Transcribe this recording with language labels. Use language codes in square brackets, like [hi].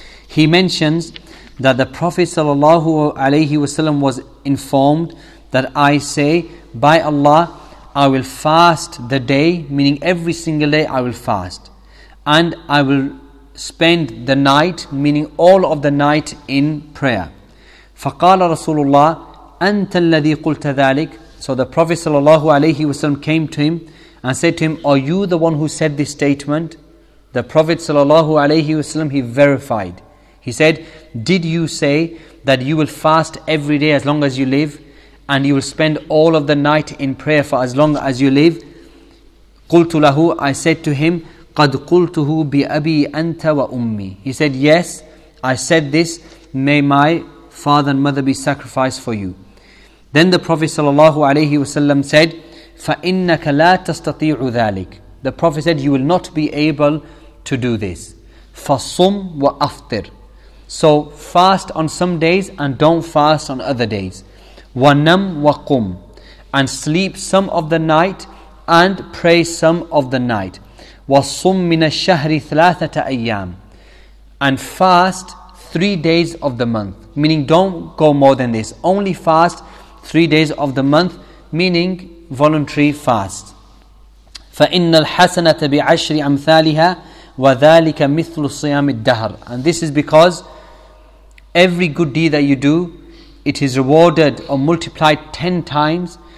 [en] He mentions that the Prophet sallallahu alayhi wasallam was informed that, I say, by Allah, I will fast the day, meaning every single day I will fast. And I will spend the night, meaning all of the night, in prayer. [ar] فقال رسول الله أنت الذي قلت ذلك. [en] So the Prophet sallallahu alayhi wasallam came to him and said to him, are you the one who said this statement? The Prophet sallallahu alayhi wasallam, he verified. He said, did you say that you will fast every day as long as you live and you will spend all of the night in prayer for as long as you live? [ar] قلت له, [en] I said to him, [ar] قد قلته بأبي أنت وأمي. [en] He said, yes, I said this, may my father and mother be sacrificed for you. Then the Prophet sallallahu alayhi wasallam said, [ar] فَإِنَّكَ لَا تَسْتَطِيعُ ذَلِكَ. [en] The Prophet said, you will not be able to do this. [ar] فَصُمْ وَأَفْطِرْ. [en] So fast on some days and don't fast on other days. [ar] وَنَمْ وَقُمْ. [en] And sleep some of the night and pray some of the night. [ar] وَصُمْ مِنَ الشَّهْرِ ثَلَاثَةَ أَيَّامٍ. [en] And fast 3 days of the month, meaning don't go more than this. Only fast 3 days of the month, meaning voluntary fast. [ar] فَإِنَّ الْحَسَنَةَ بِعَشْرِ أَمْثَالِهَا وَذَلِكَ مِثْلُ صِيَامِ الدَّهْرِ. [en] And this is because every good deed that you do, it is rewarded or multiplied 10 times.